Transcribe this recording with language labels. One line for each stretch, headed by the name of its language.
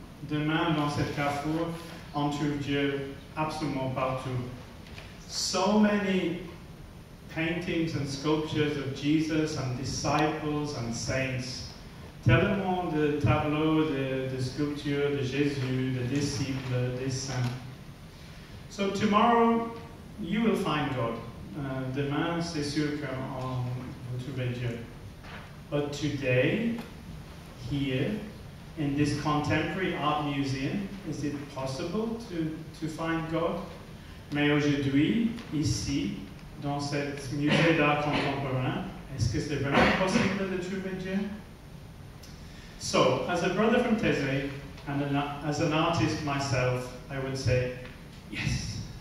French: Demain dans cette carrefour, on trouve Dieu absolument partout.
English: So many paintings and sculptures of Jesus and disciples and saints.
French: Tellement de tableaux, de sculptures de Jésus, de disciples, des saints.
English: So tomorrow, you will find God.
French: Demain, c'est sûr qu'on va trouver Dieu.
English: But today, here, in this contemporary art museum, is it possible to find God?
French: Mais aujourd'hui, ici, dans cet musée d'art contemporain, est-ce que c'est vraiment possible de trouver Dieu?
English: So, as a brother from Taizé, and as an artist myself, I would say, yes.